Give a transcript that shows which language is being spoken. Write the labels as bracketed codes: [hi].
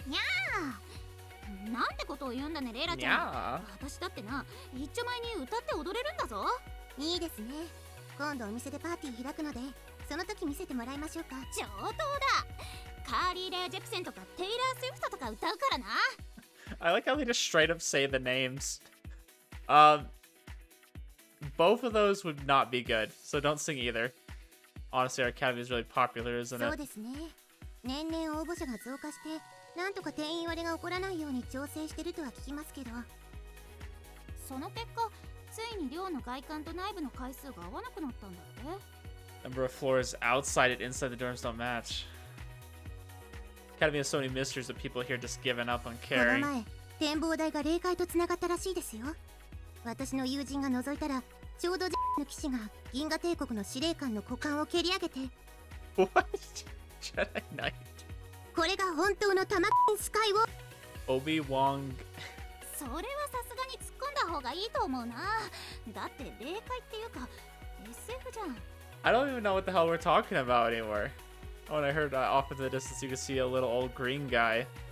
[ja] にゃー。なんてことを言うんだねレイラちゃん。私だってな、一丁前に歌って踊れるんだぞ。いいですね。今度お店でパーティー開くので、その時見せてもらいましょうか。上等だ。カーリー・レア・ジェプセンとかテイラー・スウィフトとか歌うからな。 [en] I like how they just straight up say the names. Both of those would not be good, so don't sing either. Honestly, our academy is really popular, isn't it? [ja] そうですね。年々応募者が増加して、なんとか定員割れが起こらないように調整してるとは聞きますけど。その結果。ついに寮の外観と内部の階数が合わなくなったんだって。 [en] Number of floors outside and inside the dorms don't match. Academy has so many mysteries of people here just giving up on caring. [ja] この前、展望台が霊界と繋がったらしいですよ。私の友人が覗いたら、ちょうどジェの騎士が銀河帝国の司令官の股間を蹴り上げて。 [en] What? Jedi Knight? [ja] これが本当のタマキンスカイウォー。 Obi-Wan... それはさすがに突っ込んだ方がいいと思うな。だって霊界っていうか SF じゃん。 [en] I don't even know what the hell we're talking about anymore. When I heard that off in the distance, you could see a little old green guy.